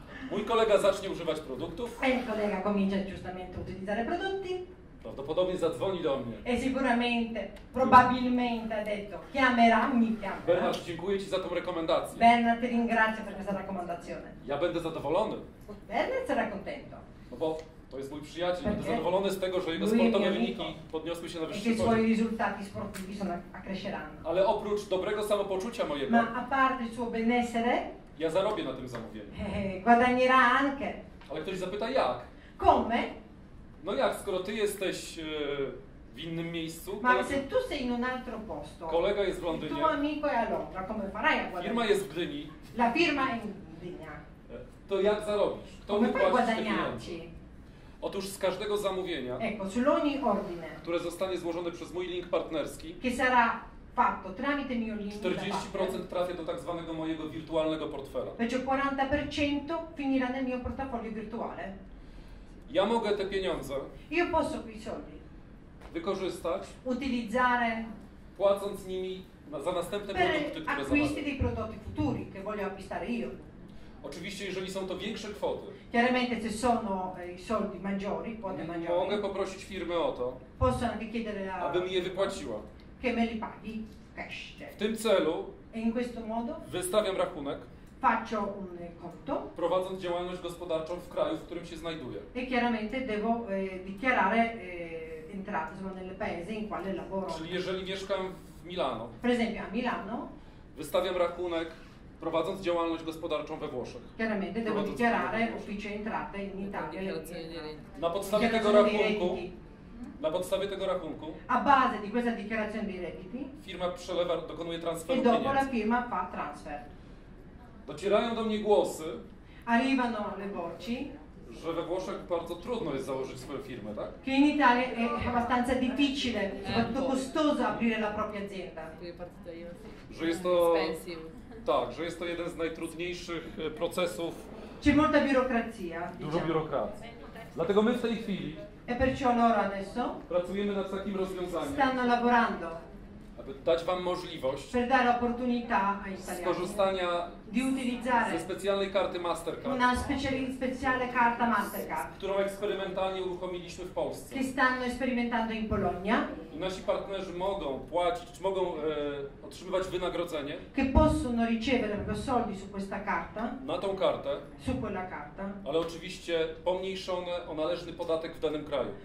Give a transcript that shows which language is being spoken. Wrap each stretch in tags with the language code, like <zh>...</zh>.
<pl>Mój kolega zacznie używać produktów.</pl> <it>E il collega comincia giustamente a utilizzare prodotti.</it> <pl>Prawdopodobnie zadzwoni do mnie.</pl> <it>E sicuramente, probabilmente ha detto, chiamerà, mi chiamerà.</it> <pl>Bernard, dziękuję ci za tą rekomendację.</pl> <it>Bernard, ti ringrazio per questa raccomandazione.</it> <pl>Ja będę zadowolony.</pl> <it>Bernard sarà contento.</it> <pl>No bo to jest mój przyjaciel, będę zadowolony z tego, że jego sportowe wyniki podniosły się na wyższy poziom. I swoje</pl> <it>risultati sportivi sono accresceranno.</it> <pl>Ale oprócz dobrego samopoczucia mojego.</pl> <it>Ma a parte il suo benessere.</it> <pl>Ja zarobię na tym zamówieniu.</pl> <it>Guadagnerà anche.</it> <pl>Ale ktoś zapyta jak?</pl> <it>Come?</it> <pl>No jak, skoro ty jesteś w innym miejscu.</pl> <it>Ma se tu sei in un altro posto.</it> <pl>Kolega jest w Londynie.</pl> <it>Tuo amico è a Londra, come farai a guadagnare?</it> <pl>Firma jest w Gdyni.</pl> <it>La firma è in Gdynia.</it> <pl>To jak zarobisz? Kto mi płaci te pieniądze? Otóż z każdego zamówienia,</pl> <it>ecco, su ogni ordine,</it> <pl>które zostanie złożone przez mój link partnerski,</pl> <it>che sarà fatto tramite mio link</it> <pl>40% trafia do tak zwanego mojego wirtualnego portfela.</pl> <it>Perciò 40% finirà nel mio portafoglio virtuale.</it> <pl>Ja mogę te pieniądze,</pl> <it>io posso quei soldi,</it> <pl>wykorzystać,</pl> <it>utilizzare,</it> <pl>płacąc nimi za następne produkty, które zamawiam.</pl> <it>Acquisti dei prodotti futuri che voglio acquistare io.</it> <pl>Oczywiście, jeżeli są to większe kwoty.</pl> <it>Chiaramente se sono i soldi maggiori, quote maggiori.</it> <pl>Mogę poprosić firmę o to.</pl> <it>Posso anche chiedere a.</it> <pl>Aby mi je wypłaciła.</pl> <it>Che me li paghi cash.</it> <pl>W tym celu.</pl> <it>E in questo modo.</it> <pl>Wystawiam rachunek.</pl> <it>Faccio un conto.</it> <pl>Prowadząc działalność gospodarczą w kraju, w którym się znajduję.</pl> <it>E chiaramente devo dichiarare entrate nel paese in quale lavoro.</it> <pl>Czyli jeżeli mieszkam w Milano.</pl> <it>Per esempio a Milano.</it> <pl>Wystawiam rachunek. Prowadząc działalność gospodarczą we Włoszech.</pl> <it>Chiaramente devo dichiarare ufficio entrate in Italia.</it> <pl>Na podstawie tego rachunku. Na podstawie tego rachunku.</pl> <it>A base di questa dichiarazione dei redditi.</it> <pl>Firma przelewa, dokonuje transferu pieniędzy.</pl> <it>E dopo la firma fa transfer.</it> <pl>Docierają do mnie głosy.</pl> <it>Arrivano le voci.</it> <pl>Że we Włoszech bardzo trudno jest założyć swoją firmę, tak?</pl> <it>Che in Italia è abbastanza difficile, soprattutto costoso aprire la propria azienda.</it> <pl>Że jest to. Tak, że jest to jeden z najtrudniejszych procesów.</pl> <it>C'è molta biurokrazia.</it> <pl>Dużo biurokracji. Dlatego my w tej chwili.</pl> <it>E perciò loro adesso.</it> <pl>Pracujemy nad takim rozwiązaniem.</pl> <it>Stanno lavorando.</it> <pl>Aby dać wam możliwość.</pl> <it>Per dare opportunità ai italiani.</it> <pl>Skorzystania.</pl> <it>Di utilizzare.</it> <pl>Ze specjalnej karty Mastercard.</pl> <it>Una speciale carta Mastercard.</it> <pl>Którą eksperymentalnie uruchomiliśmy w Polsce.</pl> <it>Che stanno sperimentando in Polonia.</it> <pl>I nasi partnerzy mogą płacić, czy mogą otrzymywać wynagrodzenie.</pl> <it>Che possono ricevere più soldi su questa carta.</it> <pl>Na tą kartę.</pl> <it>Su quella carta.</it> <pl>Ale oczywiście pomniejszone o należny podatek w danym kraju.</pl>